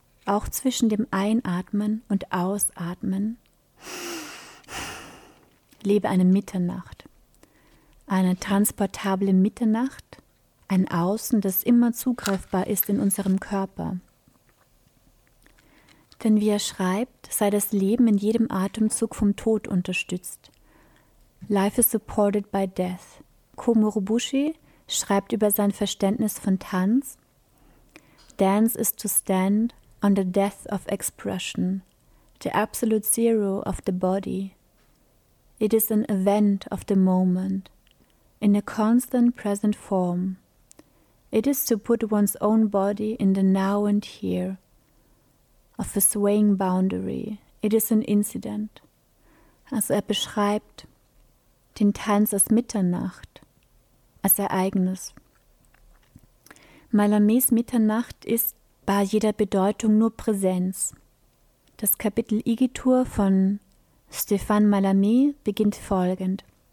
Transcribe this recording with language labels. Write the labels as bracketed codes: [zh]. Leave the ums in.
[de] Auch zwischen dem Einatmen und Ausatmen lebe eine Mitternacht, eine transportable Mitternacht, ein Außen, das immer zugreifbar ist in unserem Körper. Denn wie er schreibt, sei das Leben in jedem Atemzug vom Tod unterstützt. [en] Life is supported by death. [de] Komurobushi schreibt über sein Verständnis von Tanz. [en] Dance is to stand on the death of expression, the absolute zero of the body. It is an event of the moment, in a constant present form. It is to put one's own body in the now and here, of a swaying boundary. It is an incident. [de] Also er beschreibt den Tanz als Mitternacht, als Ereignis. Malamés Mitternacht ist bei jeder Bedeutung nur Präsenz. Das Kapitel Igitur von Stéphane Mallarmé beginnt folgend.